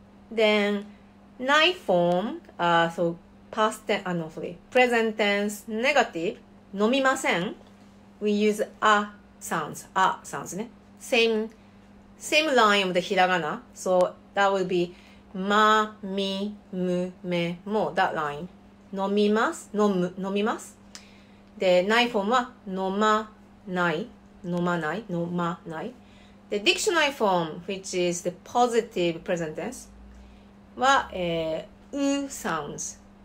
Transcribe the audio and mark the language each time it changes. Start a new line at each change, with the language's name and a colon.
English: Then, night form, so, past tense, no, sorry, present tense, negative,
Japanese: 飲みません
English: We use a sounds ね。 Same line of the hiragana. So that would be ma, mi, mu, me, mo, that line.
Japanese: 飲みます飲む飲みます。で、ない form は飲まない飲まない飲まない。
English: で、dictionary form, which is the positive present tense, は、u sounds.